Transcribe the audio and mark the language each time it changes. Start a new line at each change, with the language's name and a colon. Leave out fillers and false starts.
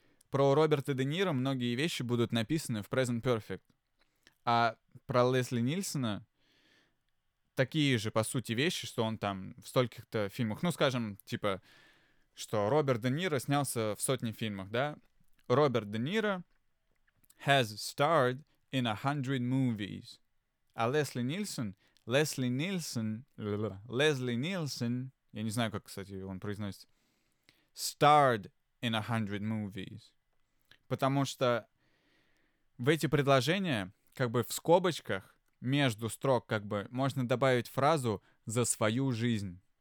Russian: Про Роберта Де Ниро многие вещи будут написаны в present perfect. А про Лесли Нильсона такие же, по сути, вещи, что он там в стольких-то фильмах. Ну, скажем, типа, что Роберт Де Ниро снялся в сотне фильмах, да?
English: Роберт Де Ниро has starred in 100 movies.
Russian: А Лесли Нильсон... Лесли Нильсон... Я не знаю, как, кстати, он произносит.
English: Starred in 100 movies.
Russian: Потому что в эти предложения, как бы в скобочках, между строк, как бы, можно добавить фразу «за свою жизнь».